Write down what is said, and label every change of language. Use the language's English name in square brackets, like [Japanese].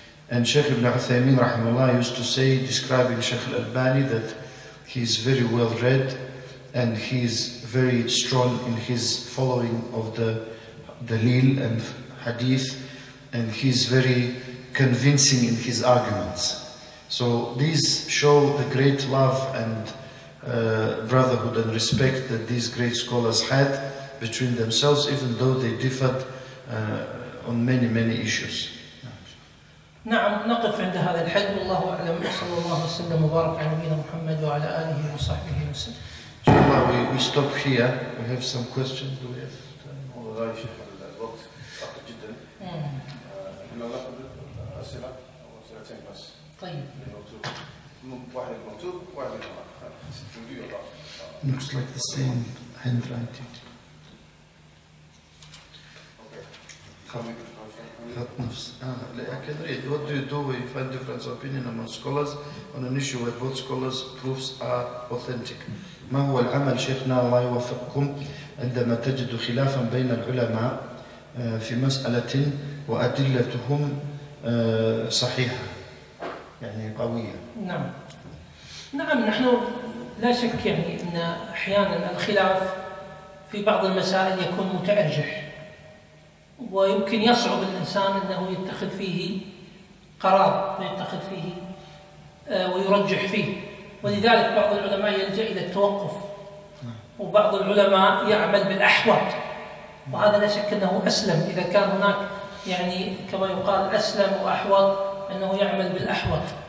[English] And Sheikh Ibn Uthaymeen rahimahullah used to say, describing Sheikh Al-Albani, that he's very well read and he's very strong in his following of the dalil and hadith, and he's very convincing in his arguments. So these show the great love and brotherhood and respect that these great scholars had between themselves, even though they differed on many, many issues. [Arabic] نعم نقف عند هذا الحد والله أعلم صلى الله وسلم وبارك على نبينا محمد وعلى آله وصحبه وسلم. [English] So we stop here. We have some questions. Do we have time? All right, Sheikh. [Arabic] الوقت أقل جدا. لو نقبل أسئلة أو أسئلتين بس. طيب. مكتوب واحد مكتوب واحد [English] مكتوب. Looks like the same handwriting. Okay. I can read. What do you do when you find different opinion among scholars on an issue where both scholars' proofs are authentic? [Arabic] ما هو العمل شيخنا الله يوفقكم عندما تجد خلافا بين العلماء في مسألة وأدلتهم صحيحة يعني قوية؟ نعم نعم نحن لا شك يعني أن أحيانا الخلاف في بعض المسائل يكون متأرجح ويمكن يصعب الإنسان أنه يتخذ فيه قرار ويتخذ فيه ويرجح فيه ولذلك بعض العلماء يلجأ إلى التوقف وبعض العلماء يعمل بالأحوط وهذا لا شك أنه أسلم إذا كان هناك يعني كما يقال أسلم وأحوط أنه يعمل بالأحوط